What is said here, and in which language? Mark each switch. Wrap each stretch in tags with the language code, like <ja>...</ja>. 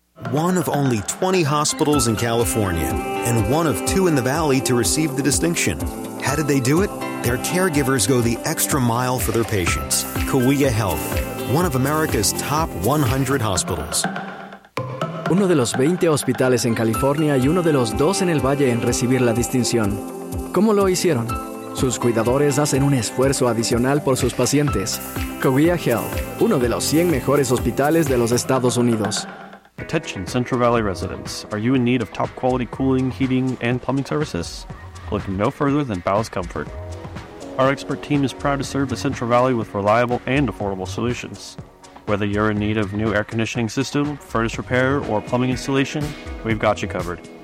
<en>One of only 20 hospitals in California, and one of two in the Valley to receive the distinction. How did they do it? Their caregivers go the extra mile for their patients. Kaweah Health, one of America's top 100 hospitals.</en> <es>Uno de los 20 hospitales en California y uno de los dos en el Valle en recibir la distinción. ¿Cómo lo hicieron? Sus cuidadores hacen un esfuerzo adicional por sus pacientes. Kaweah Health, uno de los 100 mejores hospitales de los Estados Unidos.</es> <en>Attention Central Valley residents, are you in need of top quality cooling, heating, and plumbing services? Look no further than Bowes Comfort. Our expert team is proud to serve the Central Valley with reliable and affordable solutions. Whether you're in need of new air conditioning system, furnace repair, or plumbing installation, we've got you covered.</en>